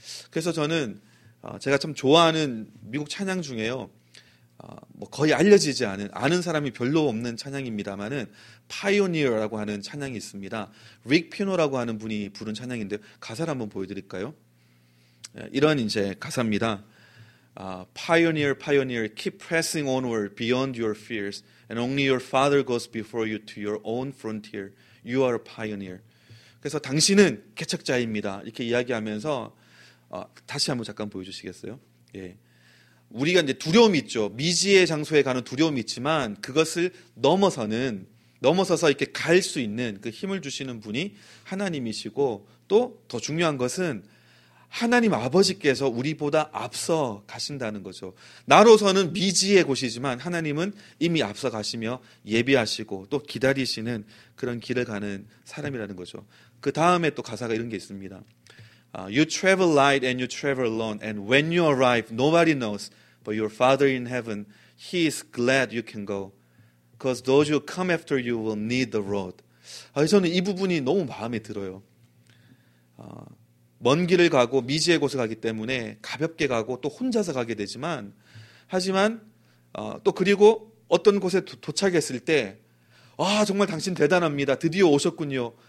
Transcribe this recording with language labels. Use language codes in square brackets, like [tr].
[ko] 그래서 저는 제가 참 좋아하는 미국 찬양 중에요. 뭐 거의 알려지지 않은 아는 사람이 별로 없는 찬양입니다만은 파이오니어라고 하는 찬양이 있습니다. 릭 피노라고 하는 분이 부른 찬양인데 가사를 한번 보여드릴까요? 이런 이제 가사입니다. [en] Pioneer, pioneer, keep pressing onward beyond your fears, and only your father goes before you to your own frontier. You are a pioneer. [ko] 그래서 당신은 개척자입니다. 이렇게 이야기하면서 다시 한번 잠깐 보여주시겠어요? 예. 우리가 이제 두려움이 있죠. 미지의 장소에 가는 두려움이 있지만 그것을 넘어서서 이렇게 갈 수 있는 그 힘을 주시는 분이 하나님이시고 또 더 중요한 것은 하나님 아버지께서 우리보다 앞서 가신다는 거죠. 나로서는 미지의 곳이지만 하나님은 이미 앞서 가시며 예비하시고 또 기다리시는 그런 길을 가는 사람이라는 거죠. 그 다음에 또 가사가 이런 게 있습니다. [en] You travel light and you travel alone and when you arrive, nobody knows but your father in heaven. He is glad you can go because those who come after you will need the road. [ko] 저는 이 부분이 너무 마음에 들어요. 먼 길을 가고 미지의 곳을 가기 때문에 가볍게 가고 또 혼자서 가게 되지만 하지만 또 그리고 어떤 곳에 도착했을 때 아 정말 당신 대단합니다. 드디어 오셨군요.